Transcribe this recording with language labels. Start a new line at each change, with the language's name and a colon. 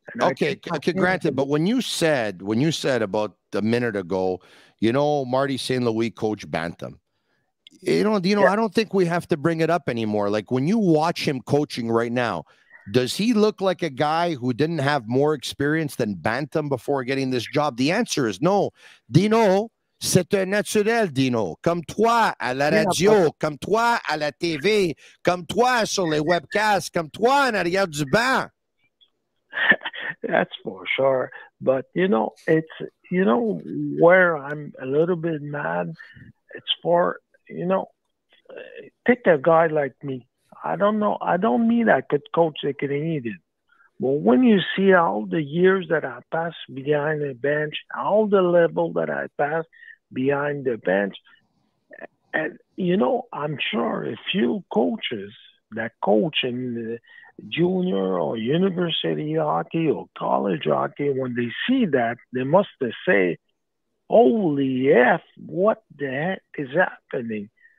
English: And okay, granted, but when you said about a minute ago, you know, Marty St. Louis coach Bantam, you know, yeah. I don't think we have to bring it up anymore. Like, when you watch him coaching right now, does he look like a guy who didn't have more experience than Bantam before getting this job? The answer is no. Dino,
French: c'est un naturel,
English: Dino.
French: Comme toi à la radio, yeah, comme toi à la TV, comme toi sur les webcasts, comme toi en arrière du banc.
English: That's for sure. But, you know, it's, you know, where I'm a little bit mad, it's for, you know, take a guy like me. I don't know. I don't mean I could coach the Canadian. But when you see all the years that I passed behind the bench, all the level that I passed behind the bench, and, you know, I'm sure a few coaches that coach in the junior or university hockey or college hockey, when they see that, they must say, holy F, what the heck is happening?